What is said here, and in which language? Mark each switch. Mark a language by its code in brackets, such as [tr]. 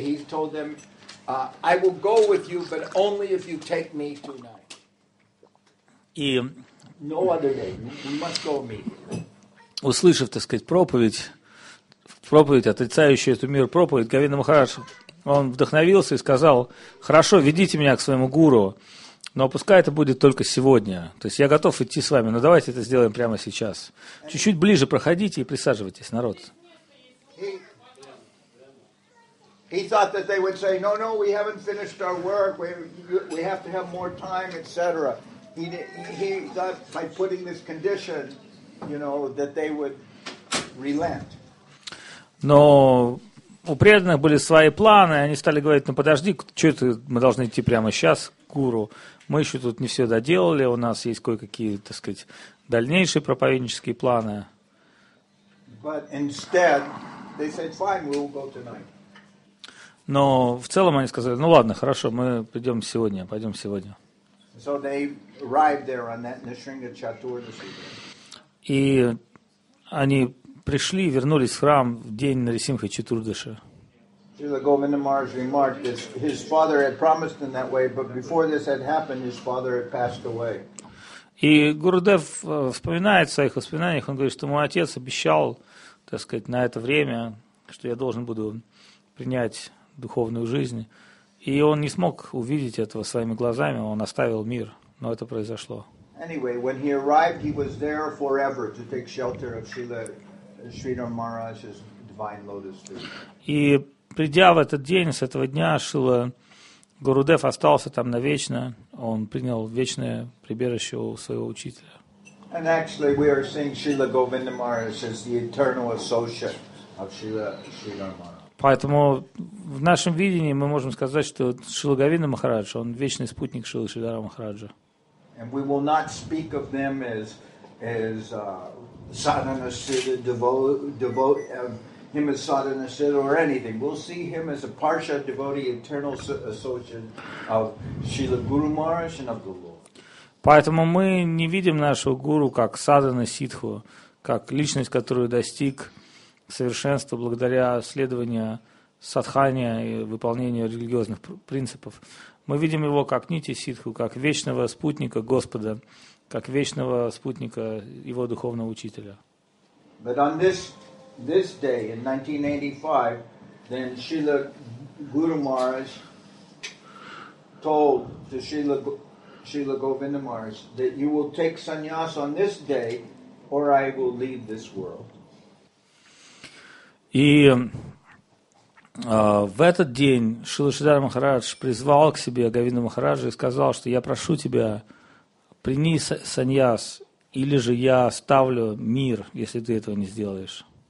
[en] He told them, I will go with you, but only if you take me tonight. No other day. We must go immediately. [ru] Услышав, так сказать, проповедь, отрицающую эту мир проповедь, Говинда Махарадж, он вдохновился и сказал, хорошо, ведите меня к своему гуру, но пускай это будет только сегодня. То есть я готов идти с вами, но давайте это сделаем прямо сейчас. Чуть-чуть ближе проходите и присаживайтесь, народ. [en] He thought that they would say, no, we haven't finished our work, we have to have more time, etc. He thought by putting this condition, you know, that they would relent. [ru] Но у преданных были свои планы, они стали говорить, ну подожди, что мы должны идти прямо сейчас к гуру, мы еще тут не все доделали, у нас есть кое-какие, так сказать, дальнейшие проповеднические планы. [en] But instead, they said, fine, we'll go tonight. [ru] Но в целом они сказали, ну ладно, хорошо, мы пойдем сегодня, пойдем сегодня. [en] So they arrived there on that Nisringa Chaturdashi. [ru] И они пришли, вернулись в храм в день Нарисимха Чатурдаши. [en] Srila Govinda Maharaj remarked that his father had promised in that way, but before this had happened, his father had passed away. [ru] И Гурудев вспоминает в своих воспоминаниях, он говорит, что мой отец обещал, так сказать, на это время, что я должен буду принять духовную жизнь. И он не смог увидеть этого своими глазами, он оставил мир, но это произошло. [en] Anyway, when he arrived, he was there forever to take shelter of Sridhar Maharaj's divine lotus feet. [ru] И придя в этот день, с этого дня, Шрила Гурудев остался там навечно, он принял вечное прибежище у своего учителя. [en] And actually, we are seeing Srila Govinda Maharaj as the eternal associate of Sridhar Maharaj. [ru] Поэтому в нашем видении мы можем сказать, что Шрила Говинда Махараджа, он вечный спутник Шрилы Шридхара Махараджа. [en] And we will not speak of them as sadhana siddha, him as sadhana siddha or anything. We'll see him as a parsha devotee, eternal associate of Srila Guru Maharaj and of the Lord. [ru] Поэтому мы не видим нашего гуру как садхана ситху, как личность, которую достиг совершенство благодаря следованию садхане и выполнению религиозных принципов. Мы видим его как нити ситху, как вечного спутника Господа, как вечного спутника его духовного учителя. [en] But on this day, in 1985, then Srila Guru Maharaj told to Srila Govinda Maharaj that you will take sannyas on this day or I will leave this world. [ru] И в этот день Шрила Шридхара Махарадж призвал к себе Говинду Махараджа и сказал, что я прошу тебя, прими саньяс, или же я оставлю мир, если ты этого не сделаешь.